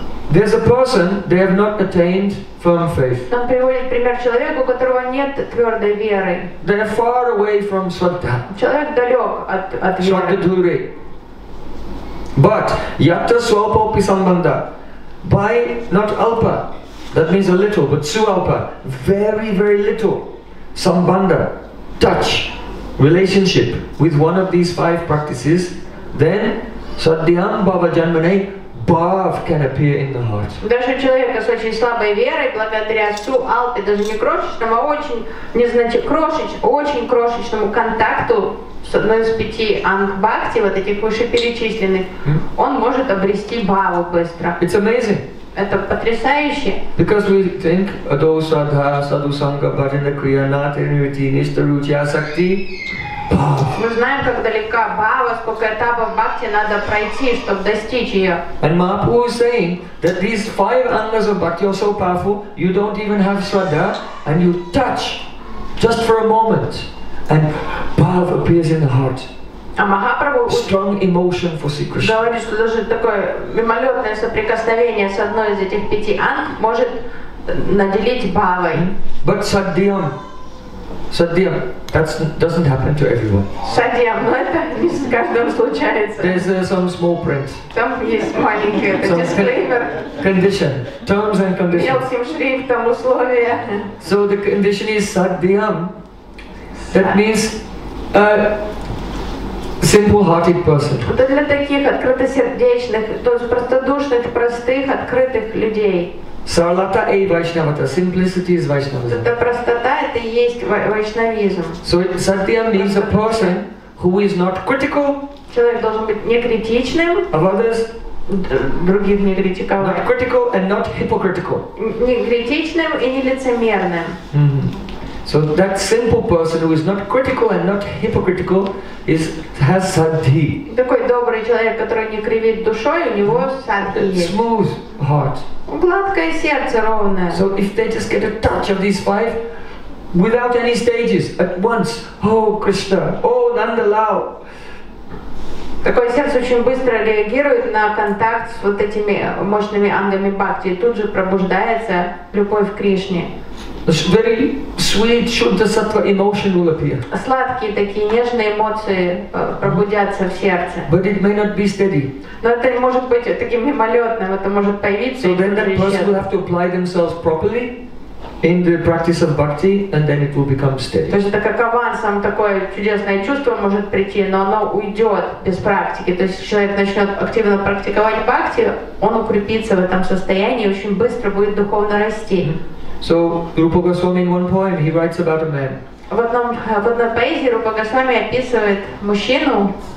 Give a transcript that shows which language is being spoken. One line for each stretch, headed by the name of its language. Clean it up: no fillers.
English: There's a person they have not attained firm faith.
Russian: Он приводит пример человека, у которого нет твердой веры.
English: They are far away from Shraddha.
Russian: Человек далек от веры.
Sanskrit: Shraddha dure.
English: But
Sanskrit: yatra swapopi sambandha
English: by not alpa, that means a little, but su alpa, very very little sambandha, touch, relationship with one of these five practices, then
Sanskrit: saddhyam bhava janmane.
English: Bhav can appear in the heart.
Russian: Даже человека с очень слабой верой, благодаря су алпе, даже не крошечному, а очень очень крошечному контакту с одной из пяти анг бхакти, вот этих вышеперечисленных, он может обрести бхаву быстро.
English: It's amazing.
Russian: Это потрясающе.
English: Because we think
Sanskrit: adosadha sadhu sangha bhajana kriya natin ruti nishtaruchi asakti.
Russian: Мы знаем, как далека Бхава, сколько этапов Бхакти надо пройти, чтобы достичь ее.
English: And Mahaprabhu is saying that these five angas of Bhakti are so powerful, you don't even have Shraddha, and you touch just for a moment, and Bhava appears in the heart.
Russian: А Махапрабху
English: strong emotion for Sri Krishna.
Russian: Говорит, что даже такое мимолетное соприкосновение с одной из этих пяти анг может наделить Бхавой.
English: But Shraddhyam. Саддиям, that doesn't happen to everyone.
Russian: Саддиям, но это не с каждым случается.
English: There's some small print.
Russian: Там есть маленький дисклеймер.
English: Condition, terms and conditions.
Russian: Мелким шрифтом условия.
English: So the condition is саддиям. That means a simple-hearted person.
Russian: Это для таких открытосердечных, то есть простодушных, простых, открытых людей.
Bangla: Sarlata e Vaishnavata.
English: Simplicity is Vaishnavism.
Russian: Это простота, это и есть Вайшнавизм.
English: So Satyam means a person who is not critical.
Russian: Человек должен быть не критичным.
English: Of others.
Russian: Других не критиковать.
English: Not critical and not hypocritical.
Russian: Не критичным и не лицемерным. Mm-hmm.
English: So that simple person who is not critical and not hypocritical is has Saddhi.
Russian: Такой добрый человек, который не кривит душой, у него Saddhi есть.
English: Smooth heart.
Russian: Гладкое сердце, ровное.
English: So if they just get a touch of these five, without any stages, at once, oh Krishna, oh Nandalal.
Russian: Такое сердце очень быстро реагирует на контакт с вот этими мощными ангами Бхакти, и тут же пробуждается любовь к Кришне.
English: Very sweet Shuddha Sattva emotion will appear.
Russian: Сладкие такие нежные эмоции пробудятся в сердце.
English: But it may not be steady.
Russian: Но это может быть таким мимолетным, это может появиться.
English: So then that person will have to apply themselves properly in the practice of bhakti, and then it will become steady.
Russian: То есть это как авансом такое чудесное чувство может прийти, но оно уйдет без практики. То есть человек начнет активно практиковать бхакти, он укрепится в этом состоянии и очень быстро будет духовно расти.
English: So Rupa Goswami in one poem he writes about a man.
Russian: В одной поэзии Рупа Госвами описывает мужчину.